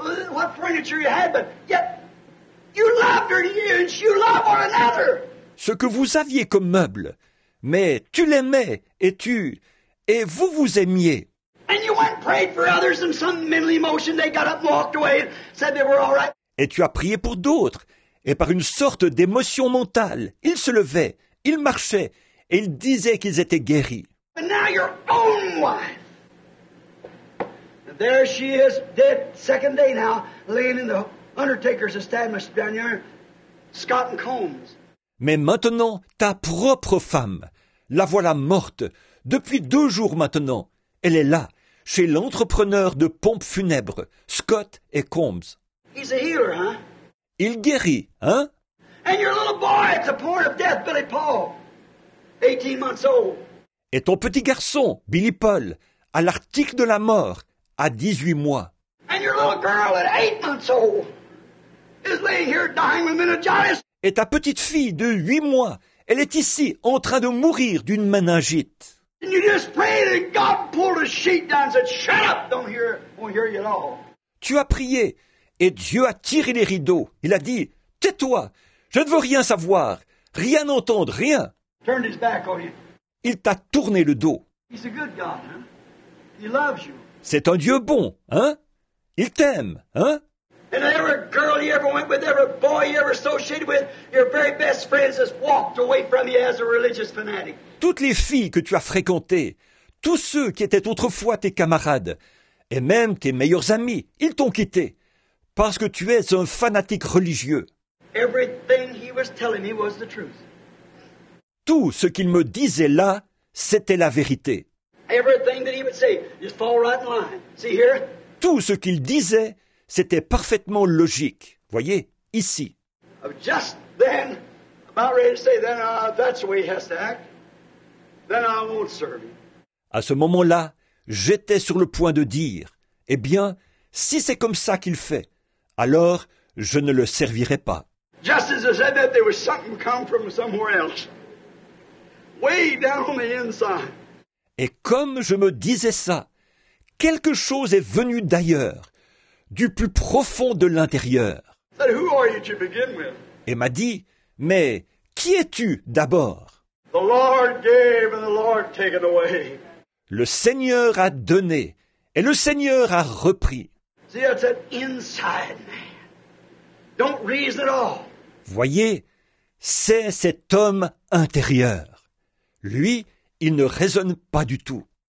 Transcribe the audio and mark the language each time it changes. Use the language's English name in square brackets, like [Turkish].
[English] What furniture you had, but yet you loved her and you loved one another. [French] Ce que vous aviez comme meubles, mais tu l'aimais et vous vous aimiez. [English] And you went and prayed for others and some mental emotion they got up and walked away and said they were all right. [French] Et tu as prié pour d'autres et par une sorte d'émotion mentale, ils se levaient, ils marchaient et ils disaient qu'ils étaient guéris. [English] And now your own wife. There she is, dead, second day now, laying in the undertaker's establishment down there, Scott and Combs. [French] Mais maintenant, ta propre femme, la voilà morte, depuis 2 jours maintenant. Elle est là, chez l'entrepreneur de pompes funèbres, Scott et Combs. [English] He's a healer, hein? [French] Il guérit, hein? [English] And your little boy at the point of death, Billy Paul, 18 months old. [French] Et ton petit garçon, Billy Paul, à l'article de la mort, à 18 mois. [English] And your little girl at 8 months old is laying here dying with meningitis. [French] Et ta petite fille de 8 mois, elle est ici en train de mourir d'une méningite. [English] And you just prayed and God pulled a sheet down and said, shut up, won't hear you at all. [French] Tu as prié et Dieu a tiré les rideaux. Il a dit, tais-toi, je ne veux rien savoir, rien entendre, rien. [English] Turned his back on you. [French] Il t'a tourné le dos. [English] He's a good God, huh? He loves you. [French] C'est un Dieu bon, hein? Il t'aime, hein? [English] And every girl you ever went with, every boy you ever associated with, your very best friends has walked away from you as a religious fanatic. [French] Toutes les filles que tu as fréquentées, tous ceux qui étaient autrefois tes camarades, et même tes meilleurs amis, ils t'ont quitté, parce que tu es un fanatique religieux. [English] Everything he was telling me was the truth. [French] Tout ce qu'il me disait là, c'était la vérité. [English] Everything that he would say, just fall right in line. See here? [French] Tout ce qu'il disait, c'était parfaitement logique. Voyez, ici. [English] Just then, about ready to say, then that's the way he has to act. Then I won't serve him. [French] À ce moment-là, j'étais sur le point de dire, eh bien, si c'est comme ça qu'il fait, alors je ne le servirai pas. [English] Just as I said that, there was something come from somewhere else. Way down on the inside. [French] Et comme je me disais ça, quelque chose est venu d'ailleurs, du plus profond de l'intérieur. [English] Said, who are you to begin with? [French] Et m'a dit, mais qui es-tu d'abord? [English] The Lord gave and the Lord taken away. [French] Le Seigneur a donné et le Seigneur a repris. [English] See, that's an inside man. Don't reason at all. [French] Voyez, c'est cet homme intérieur. Lui, il ne raisonne pas du tout.